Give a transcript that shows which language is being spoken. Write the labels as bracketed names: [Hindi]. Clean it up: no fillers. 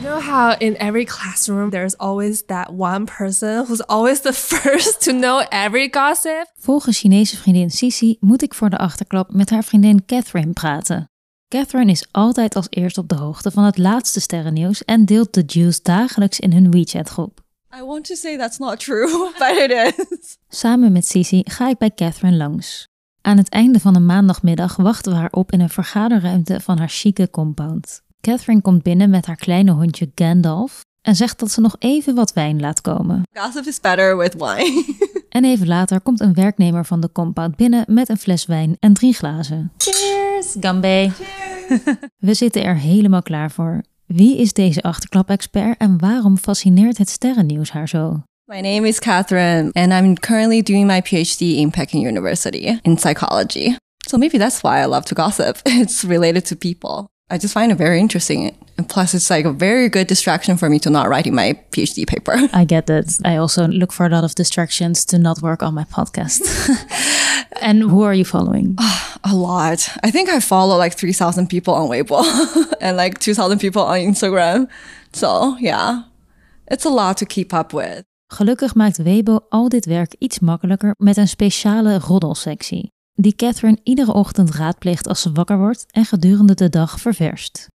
[English] How in every classroom there's always that one person who's always the first to know every gossip. [Dutch] Volgens Chinese vriendin Sisi moet ik voor de achterklap met haar vriendin Catherine praten. Catherine is altijd als eerst op de hoogte van het laatste sterrennieuws en deelt de juice dagelijks in hun WeChat groep. [English] I want to say that's not true, but it is. [Dutch] Samen met Sisi ga ik bij Catherine langs. Aan het einde van een maandagmiddag wachten we haar op in een vergaderruimte van haar chique compound. Catherine komt binnen met haar kleine hondje Gandalf en zegt dat ze nog even wat wijn laat komen. [English] Gossip is better with wine. [Dutch] En even later komt een werknemer van de compound binnen met een fles wijn en 3 glazen. [English] Cheers, Gambé. Cheers. [Dutch] We zitten er helemaal klaar voor. Wie is deze achterklap-expert en waarom fascineert het sterrennieuws haar zo? [English] My name is Catherine and I'm currently doing my PhD in Peking University in psychology. So maybe that's why I love to gossip. It's related to people. I just find it very interesting. And plus, it's like a very good distraction for me to not write in my PhD paper. I get that. I also look for a lot of distractions to not work on my podcast. And who are you following? A lot. I think I follow like 3,000 people on Weibo and like 2,000 people on Instagram. So yeah, it's a lot to keep up with. [Dutch] Gelukkig maakt Weibo al dit werk iets makkelijker met een speciale roddelsectie. Die Catherine iedere ochtend raadpleegt als ze wakker wordt en gedurende de dag ververst.